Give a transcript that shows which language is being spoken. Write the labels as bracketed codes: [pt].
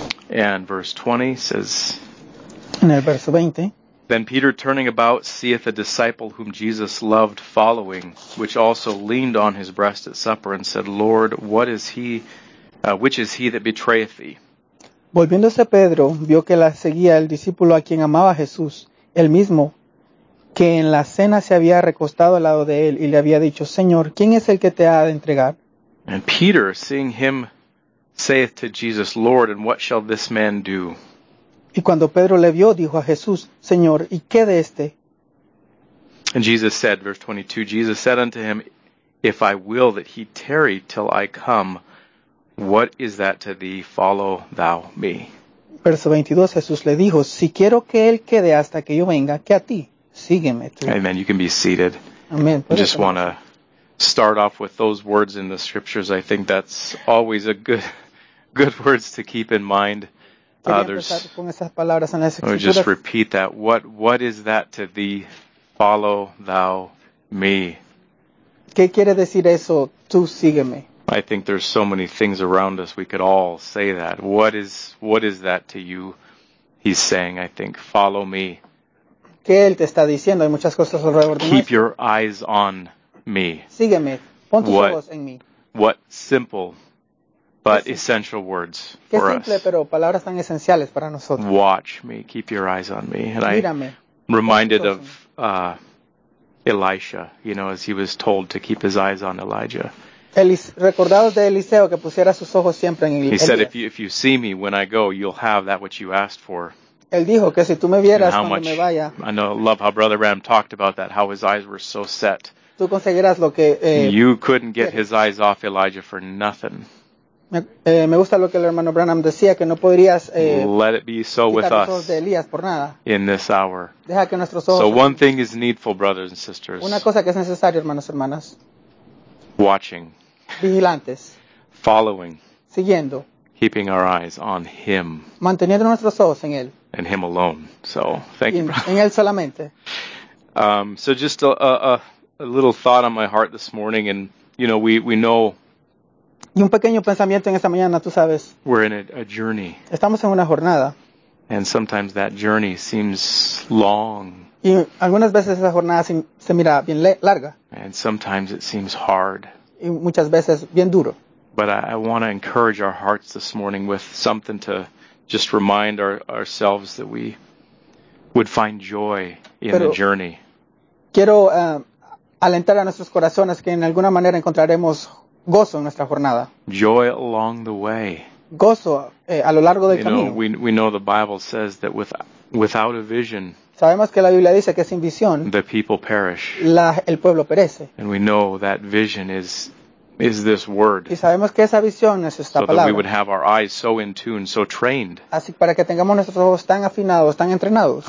[en] And verse 20 says, [es] en el verso 20, [en] then Peter turning about seeth a disciple whom Jesus loved following, which also leaned on his breast at supper and said, Lord, what is he, which is he that betrayeth thee? [es] Volviéndose Pedro, vio que la seguía el discípulo a quien amaba Jesús, el mismo que en la cena se había recostado al lado de él y le había dicho, Señor, ¿quién es el que te ha de entregar? [en] And Peter, seeing him saith to Jesus, Lord, and what shall this man do? [es] Y cuando Pedro le vio, dijo a Jesús, Señor, ¿y qué de este? [en] And Jesus said, verse 22, Jesus said unto him, If I will that he tarry till I come, what is that to thee? Follow thou me. [es] Verso 22, Jesús le dijo, Si quiero que él quede hasta que yo venga, que a ti, sígueme tú. [en] Amen, you can be seated. Amen. I just want to start off with those words in the scriptures. I think that's always a good words to keep in mind. Let me just repeat that. What is that to thee? Follow thou me. [es] ¿Qué quiere decir eso? Tú sígueme. [en] I think there's so many things around us we could all say that. What is that to you? He's saying, I think, follow me. [es] ¿Qué él te está diciendo? Hay muchas cosas alrededor de mí. [en] Keep your eyes on me. [es] Sígueme. Pon tus ojos en mí. [en] What simple but essential words for us. [es] Qué simple, pero palabras tan esenciales para nosotros. [en] Watch me. Keep your eyes on me. [es] And mírame. [en] I'm reminded of Elisha, you know, as he was told to keep his eyes on Elijah. [es] Recordados de Eliseo que pusiera sus ojos siempre en Elías. [en] He said, if you see me when I go, you'll have that which you asked for. [es] Él dijo que si tú me vieras cuando me vaya. [en] I know, love how Brother Ram talked about that, how his eyes were so set. [es] Tú conseguirás lo que, [en] you couldn't get his eyes off Elijah for nothing. [es] Me gusta lo que el hermano Branham decía, que no podrías [en] let it be so with us in this hour. [es] Deja que nuestros ojos. [en] So one thing is needful, brothers and sisters. [es] Una cosa que es necesario, hermanos y hermanas. [en] Watching. [es] Vigilantes. [en] Following. [es] Siguiendo. [en] Keeping our eyes on him. [es] Manteniendo nuestros ojos en él. [en] And him alone. So thank you, brother. [es] En él solamente. [en] So just a little thought on my heart this morning, and you know, we know. [es] Y un pequeño pensamiento en esta mañana, tú sabes. [en] We're in a journey. [es] Estamos en una jornada. [en] And sometimes that journey seems long. [es] Y algunas veces esa jornada se mira bien larga. [en] And sometimes it seems hard. [es] Y muchas veces bien duro. [en] But I want to encourage our hearts this morning with something to just remind ourselves that we would find joy in [es] Pero [en] the journey. [es] Quiero alentar a nuestros corazones que en alguna manera encontraremos gozo en nuestra jornada. [en] Joy along the way. [es] Gozo a lo largo del [en] you know, [es] camino. [en] We know the Bible says that without a vision. [es] Sabemos que la Biblia dice que sin visión. [en] The people perish. [es] El pueblo perece. [en] And we know that vision is this word. [es] Y sabemos que esa visión es esta so palabra. [en] That we would have our eyes so in tune, so trained. [es] Así para que tengamos nuestros ojos tan afinados, tan entrenados.